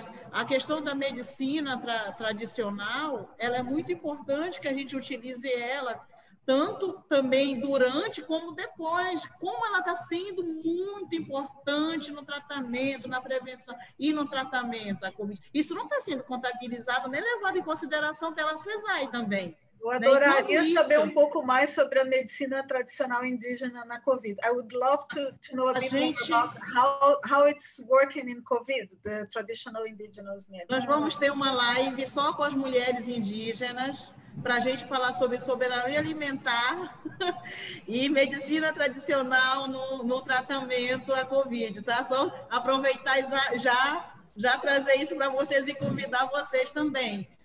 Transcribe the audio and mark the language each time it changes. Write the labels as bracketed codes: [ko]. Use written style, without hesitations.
[pt] A questão da medicina tradicional, ela é muito importante que a gente utilize ela tanto também durante como depois, como ela está sendo muito importante no tratamento, na prevenção e no tratamento da Covid. Isso não está sendo contabilizado, nem levado em consideração pela CESAI também. Eu adoraria saber um pouco mais sobre a medicina tradicional indígena na Covid. [en] I would love to know a bit more about how it's working in Covid, the traditional indigenous medicine. [pt] Nós vamos ter uma live só com as mulheres indígenas, para a gente falar sobre soberania alimentar e medicina tradicional no tratamento à Covid, tá? Só aproveitar e já trazer isso para vocês e convidar vocês também.